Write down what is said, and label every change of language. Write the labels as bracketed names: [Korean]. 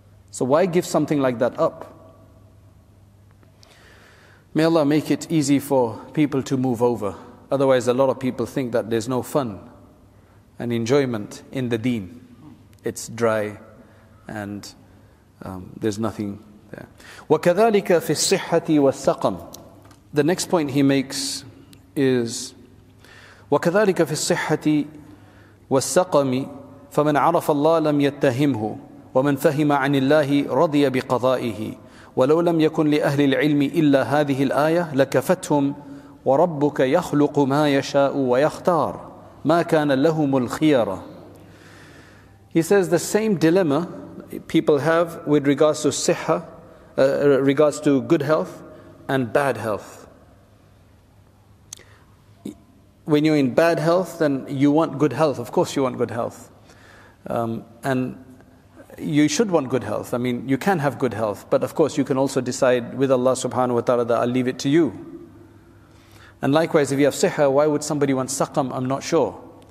[English] So why give something like that up? May Allah make it easy for people to move over. Otherwise, a lot of people think that there's no fun and enjoyment in the deen. It's dry and there's nothing there. [Arabic] وَكَذَلِكَ فِي الصِّحَّةِ وَالسَّقَمْ [English] The next point he makes is [Arabic] وَكَذَلِكَ فِي الصِّحَّةِ وَالسَّقَمِ فَمَنْ عَرَفَ اللَّهَ لَمْ يَتَّهِمْهُ وَمَنْ فَهِمَ عَنِ اللَّهِ رَضِيَ بِقَضَائِهِ وَلَوْ لَمْ يَكُنْ لِأَهْلِ الْعِلْمِ إِلَّا هَذِهِ الْآيَةِ لَكَفَتْهُمْ وَرَبُّكَ يَخْلُقُ مَا يَشَاءُ وَيَخْتَارُ مَا كَانَ لَهُمُ الْخِيَرَةِ [English] He says the same dilemma people have with regards to siha, regards to good health and bad health. When you're in bad health, then you want good health. Of course you want good health. And you should want good health. I mean, you can have good health, but of course you can also decide with Allah subhanahu wa ta'ala that I'll leave it to you. And likewise, if you have siha, why would somebody want saqam? I'm not sure.